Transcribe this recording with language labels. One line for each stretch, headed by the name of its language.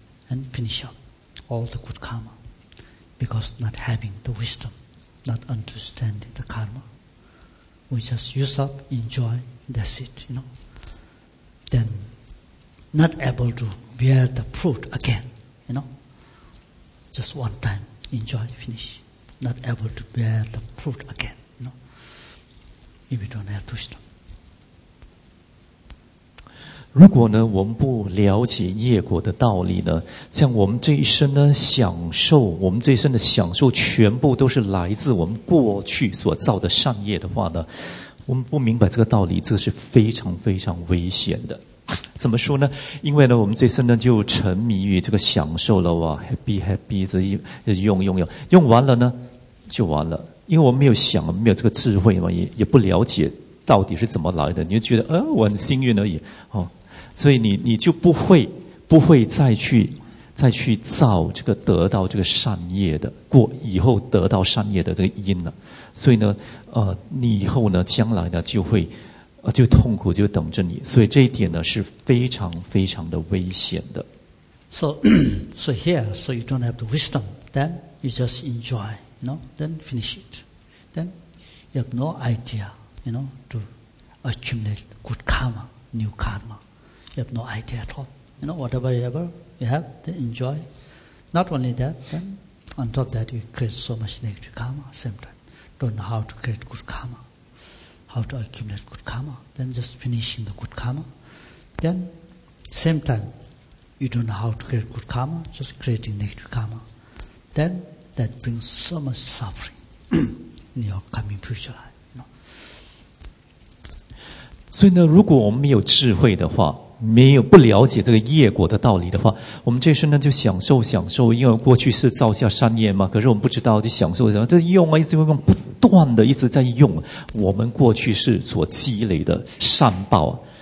English: And finish up all the good karma because not having the wisdom, not understanding the karma, we just use up, enjoy, that's it, you know. Then not able to bear the fruit again, you know. Just one time, enjoy, finish. Not able to bear the fruit again, you know. If you don't have the wisdom.
Chinese: 如果呢，我们不了解业果的道理呢，像我们这一生呢，享受我们这一生的享受，全部都是来自我们过去所造的善业的话呢，我们不明白这个道理，这是非常非常危险的。怎么说呢？因为呢，我们这一生呢就沉迷于这个享受了哇 ，
English: happy happy，
Chinese: 这用完了呢就完了，因为我们没有想，没有这个智慧嘛，也不了解。到底是怎么来的？你就觉得，我很幸运而已，哦，所以你就不会再去造这个得到这个善业的过以后得到善业的这个因了。所以呢，你以后呢，将来呢，就会，就痛苦就等着你。所以这一点呢，是非常非常的危险的。
English: So here, so you don't have the wisdom, then you just enjoy, you know, then finish it, then you have no idea. You know, to accumulate good karma, new karma. You have no idea at all. You know, whatever you have, then enjoy. Not only that, then on top of that, you create so much negative karma at the same time. Don't know how to create good karma, how to accumulate good karma. Then just finishing the good karma. Then, same time, you don't know how to create good karma, just creating negative karma. Then, that brings so much suffering in your coming future life.
Chinese: 所以呢，如果我们没有智慧的话，没有不了解这个业果的道理的话，我们这生呢就享受，因为过去是造下善业嘛。可是我们不知道，就享受什么？就用啊，一直用，不断的一直在用我们过去是所积累的善报。